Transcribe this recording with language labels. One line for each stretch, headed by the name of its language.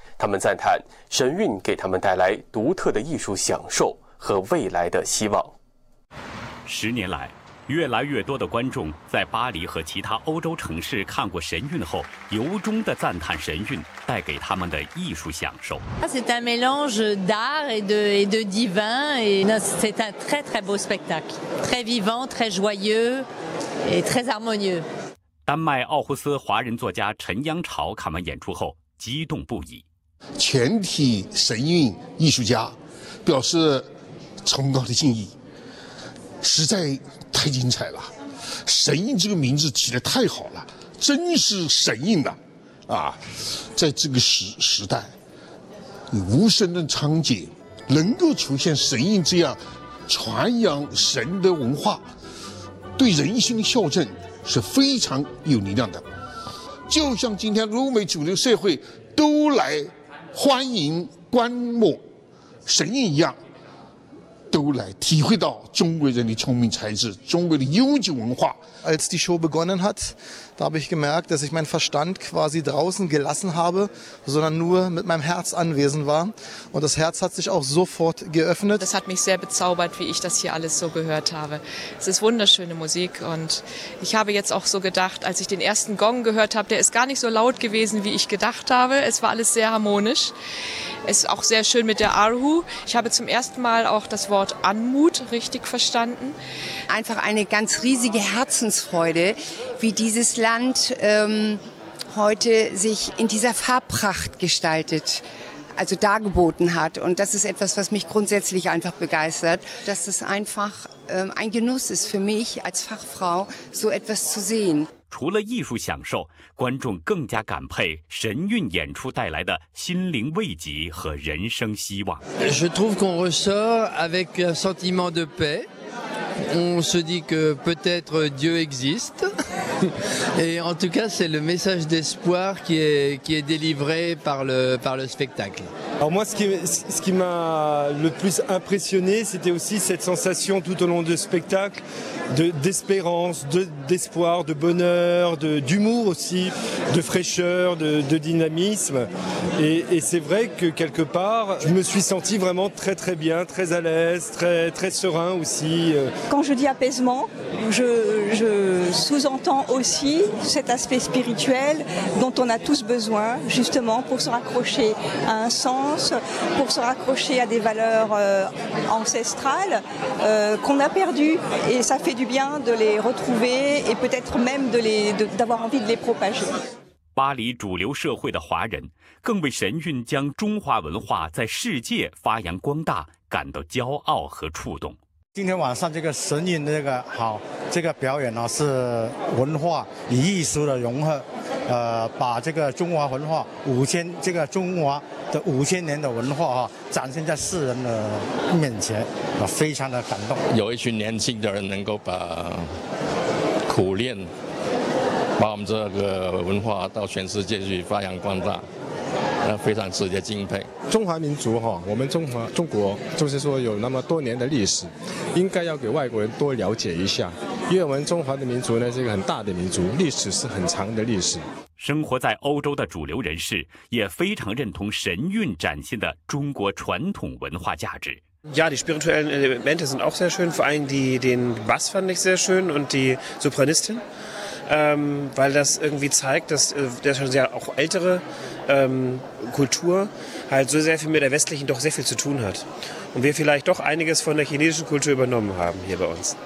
Chinese: 他们赞叹神韵给他们带来独特的艺术享受和未来的希望。十年来，越来越多的观众在巴黎和其他欧洲城市看过神韵后，由衷地赞叹神韵带给他们的艺术享受。
French: C'est un mélange d'art et de divin et c'est un très très beau spectacle, très vivant, très joyeux et très harmonieux.
Chinese: 丹麦奥胡斯华人作家陈央潮看完演出后激动不已。全体神韵艺术家表示崇高的敬意，实在太精彩了，神韵这个名字起得太好了，真是神韵的啊！在这个时代，无声的场景能够出现神韵这样传扬神的文化，对人心的校正是非常有力量的。就像今天欧美主流社会都来欢迎观摩神韵一样，都来体会到中国人的聪明才智，中国的悠久文化。
German: Als die Show begonnen hat, da habe ich gemerkt, dass ich meinen Verstand quasi draußen gelassen habe, sondern nur mit meinem Herz anwesend war. Und das Herz hat sich auch sofort geöffnet. Das hat mich sehr bezaubert, wie ich das hier alles so gehört habe. Es ist wunderschöne Musik und ich habe jetzt auch so gedacht, als ich den ersten Gong gehört habe, der ist gar nicht so laut gewesen, wie ich gedacht habe. Es war alles sehr harmonisch. Es ist auch sehr schön mit der Arhu. Ich habe zum ersten Mal auch das Wort Anmut richtig verstanden. Einfach eine ganz riesige Herzensfreude, wie dieses Land heute sich in dieser Farbpracht gestaltet, also dargeboten hat. Und das ist etwas, was mich grundsätzlich einfach begeistert, dass es einfach ein Genuss ist für mich als Fachfrau, so etwas zu sehen.
Chinese: 除了艺术享受，观众更加感佩神韵演出带来的心灵慰藉和人生希望。
French: Je trouve qu'on ressort avec un sentiment de paix. On se dit que peut-être Dieu existe. Et en tout cas, c'est le message d'espoir qui est délivré par le spectacle. Alors moi, ce qui m'a le plus impressionné, c'était aussi cette sensation tout au long du spectacle. D'espérance, d'espoir, de bonheur, d'humour aussi, de fraîcheur, de dynamisme. Et c'est vrai que quelque part, je me suis senti vraiment très très bien, très à l'aise, très, très serein aussi. Quand je dis apaisement, je sous-entends aussi cet aspect spirituel dont on a tous besoin, justement, pour se raccrocher à un sens, pour se raccrocher à des valeurs ancestrales qu'on a perdues. Et ça fait du bien de les retrouver et peut-être même d'avoir envie de les propager.
Chinese: 巴黎主流社会的华人更为神韵将中华文化在世界发扬光大感到骄傲和触动。今天晚上这个神韵这个好这个表演呢，是文化与艺术的融合，把这个中华文化五千年的文化啊，展现在世人的面前，啊，非常的感动。有一群年轻的人能够把苦练，把我们这个文化到全世界去发扬光大，那非常值得敬佩。中华民族哈，我们中国就是说有那么多年的历史，应该要给外国人多了解一下，因为我们中华的民族呢是一个很大的民族，历史是很长的历史。生活在欧洲的主流人士也非常认同神韵展现的中国传统文化价值。
German: Ja, die spirituellen Elemente sind auch sehr schön, vor allem den Bass fand ich sehr schön und die Sopranistin, weil das irgendwie zeigt, dass der schon sehr auch ältere Kultur halt so sehr viel mit der westlichen doch sehr viel zu tun hat. Und wir vielleicht doch einiges von der chinesischen Kultur übernommen haben hier bei uns.